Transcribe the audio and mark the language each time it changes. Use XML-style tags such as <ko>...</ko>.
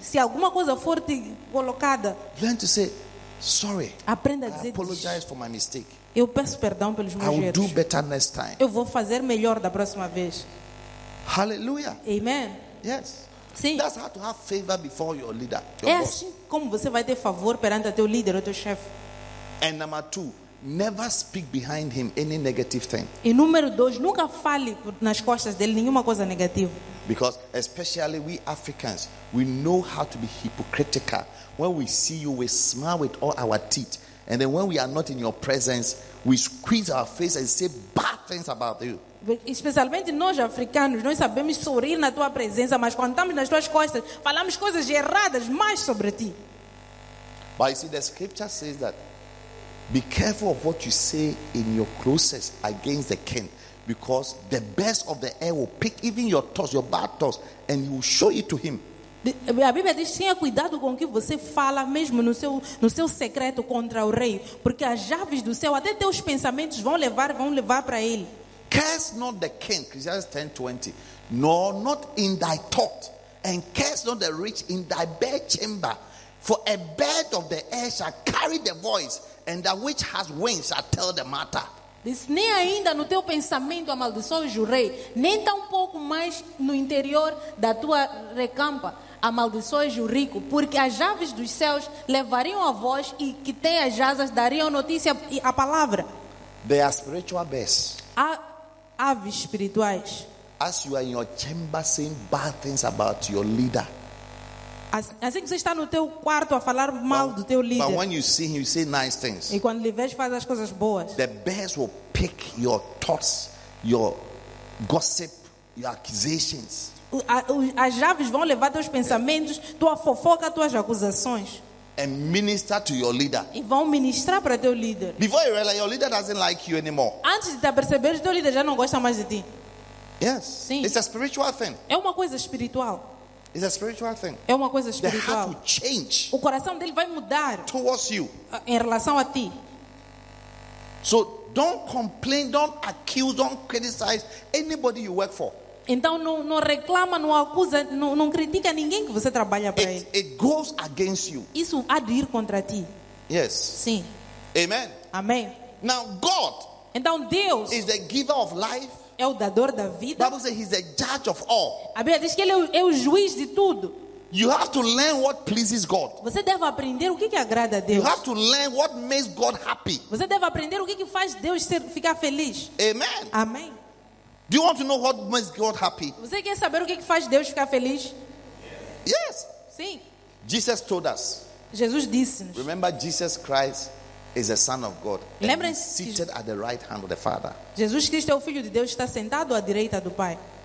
<pt>se alguma coisa for te colocada,</pt> <en>learn to say sorry.</en> <pt>Aprenda a dizer,</pt> <en>I apologize for my mistake.</en> <pt>Eu peço perdão pelos meus erros.</pt> <en>I will</en> <pt>erros.</pt> <en>Do better next time.</en> <pt>Eu vou fazer melhor da próxima vez.</pt> <en>Hallelujah. Amen. Yes.</en> <pt>Sim.</pt> <en>That's how to have favor before your leader, your</en> <pt>é</pt> <en>boss.</en> <pt>Assim como você vai ter favor perante o teu líder ou teu chefe.</pt> <en>And number two, never speak behind him any negative thing.</en> <pt>E número dois, nunca fale nas costas dele nenhuma coisa negativa.</pt> <en>Because especially we Africans, we know how to be hypocritical. When we see you, we smile with all our teeth, and then when we are not in your presence, we squeeze our face and say bad things about you.</en> <pt>Especialmente nós africanos, nós sabemos sorrir na tua presença, mas quando estamos nas tuas costas, falamos coisas erradas mais sobre ti.</pt> <en>But you see, the scripture says that be careful of what you say in your closets against the king, because the best of the air will pick even your thoughts, your bad thoughts, and you will show it to him.</en> <pt>A Bíblia diz, tenha cuidado com o que você fala mesmo no seu secreto contra o rei, porque as aves do céu, até teus pensamentos vão levar para ele.</pt> <en>Curse not the king, Ecclesiastes 10:20. Nor not in thy thought, and curse not the rich in thy bedchamber, for a bird of the air shall carry the voice, and that which has wings shall tell the matter.</en> <pt>Diz, nem ainda no teu pensamento amaldiçoes o rei, nem tampouco mais no interior da tua recampa amaldiçoes o rico, porque as aves dos céus levariam a voz, e que tem as asas dariam notícia e a palavra.</pt> <en>They are spiritual birds.</en> <pt>Aves espirituais.</pt> <en>As you are in your chamber saying bad things about your leader.</en> <pt>Assim que você está no teu quarto a falar mal do teu líder.</pt> <en>But when you see him, you say nice things.</en> <pt>E quando lhe vês, faz as coisas boas.</pt> <en>The bears will pick your thoughts, your gossip, your accusations.</en> <pt>As aves vão levar teus pensamentos, tua fofoca, tuas acusações.</pt> <en>And minister to your leader.</en> <pt>E vão ministrar para teu líder.</pt> <en>Before you realize, your leader doesn't like you anymore.</en> <pt>Antes de te aperceber, teu líder já não gosta mais de ti.</pt> <en>Yes.</en> <pt>Sim.</pt> <en>It's a spiritual thing.</en> <pt>É uma coisa espiritual.</pt> <en>It's a spiritual thing.</en> <pt>É uma coisa espiritual.</pt> <en>The heart will change.</en> <pt>O coração dele vai mudar.</pt> <en>Towards you.</en> <pt>Em relação a ti.</pt> <en>So Don't complain, don't accuse, don't criticize anybody you work for.</en> <pt>Então não reclama, não acusa, não critica ninguém que você trabalha para ele.</pt> <en>It goes against you.</en> <pt>Isso há de ir contra ti.</pt> <en>Yes.</en> <pt>Sim.</pt> <en>Amen.</en> <pt>Amém.</pt> <en>Now God.</en> <pt>Então Deus</pt> <en>is the giver of life.</en> <pt>É o dador da vida.</pt> <en>The Bible says he's the judge of all.</en> <pt>A Bíblia diz que ele é o juiz de tudo.</pt> <en>You have to learn what pleases God.</en> <pt>Você deve aprender o que agrada a Deus.</pt> <en>You have to learn what makes God happy.</en> <pt>Você deve aprender o que faz Deus ficar feliz.</pt> <en>Amen.</en> <pt>Amém.</pt> <en>Do you want to know what makes God happy?</en> <pt>Você quer saber o que faz Deus ficar feliz?</pt> <en>Yes.</en> <pt>Sim.</pt> <en>Jesus told us.</en> <pt>Jesus disse-nos.</pt> <en>Remember, Jesus Christ is the Son of God.</en> <pt>Lembrem-se.</pt> <en>Seated at the right hand of the Father.</en> <pt>Jesus Cristo é o Filho de Deus, está sentado à direita do Pai.</pt>